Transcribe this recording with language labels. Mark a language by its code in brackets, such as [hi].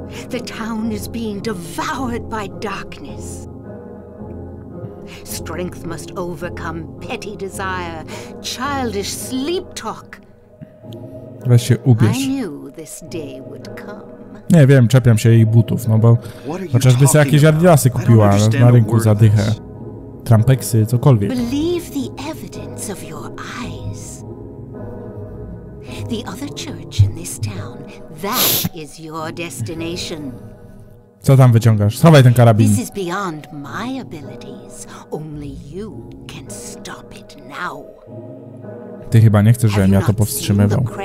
[en] The town is being devoured by darkness. Strength must overcome petty desire, childish sleep talk. [pl] Weź się ubierz. [en] I knew this day would come. [pl] Nie wiem, czepiam się jej butów, no bo chociażby sobie jakieś Adidasy kupiła na rynku za dychę. Trampeksy, cokolwiek. [en] Believe the evidence of your eyes. The other church in this town, that is your destination. [pl] Co tam wyciągasz? Schowaj ten karabin. [en] This is beyond my abilities. Only you can stop it now. [pl] Ty chyba nie chcesz, żebym ja to powstrzymywał.